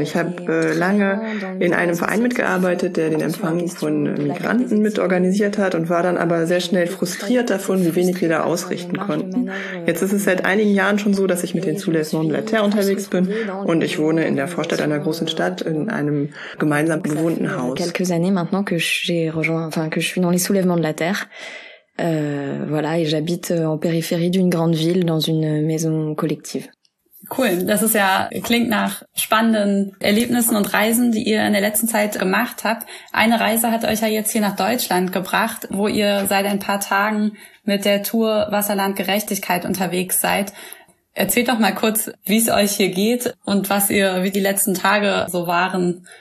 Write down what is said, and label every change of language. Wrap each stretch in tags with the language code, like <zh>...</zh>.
<de>Ich habe lange in einem Verein mitgearbeitet, der den Empfang von Migranten mitorganisiert hat und war dann aber sehr schnell frustriert davon, wie wenig wir da ausrichten konnten. Jetzt ist es seit einigen Jahren schon so, dass ich mit den Soulèvement de la Terre unterwegs bin und ich wohne in der Vorstadt einer großen Stadt in einem gemeinsam bewohnten Haus.</de> <fr>Années maintenant que j'ai rejoint, enfin que je suis dans les soulèvements de la terre, voilà, et j'habite en périphérie d'une grande ville dans une maison collective.</fr> <de>Cool, das ist ja, klingt nach spannenden Erlebnissen und Reisen, die ihr in der letzten Zeit gemacht habt. Eine Reise hat euch ja jetzt hier nach Deutschland gebracht, wo ihr seit ein paar Tagen mit der Tour Wasserland Gerechtigkeit unterwegs seid. Erzählt doch mal kurz, wie es euch hier geht und was ihr, wie die letzten Tage so waren.</de>